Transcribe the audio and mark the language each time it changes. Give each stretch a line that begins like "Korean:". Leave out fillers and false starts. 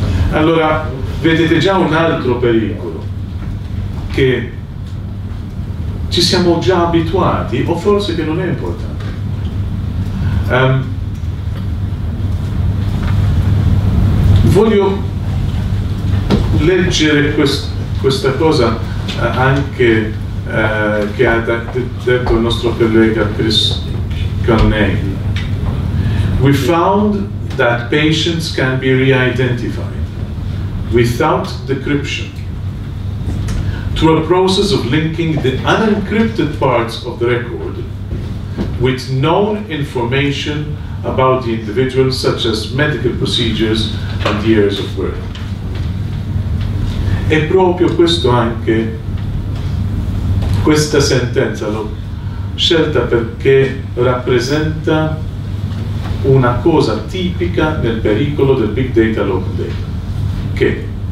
Italian: Allora, vedete già un altro pericolo, che ci siamo già abituati, o forse che non è importante. Voglio leggere questa cosa anche che ha detto il nostro collega Chris Carnegie.
English: We found that patients can be re-identified without decryption, through a process of linking the unencrypted parts of the record with known information about the individual, such as medical procedures and years of birth.
Italian: E proprio questo anche, questa sentenza l'ho scelta perché rappresenta una cosa tipica nel pericolo del big data, open data, che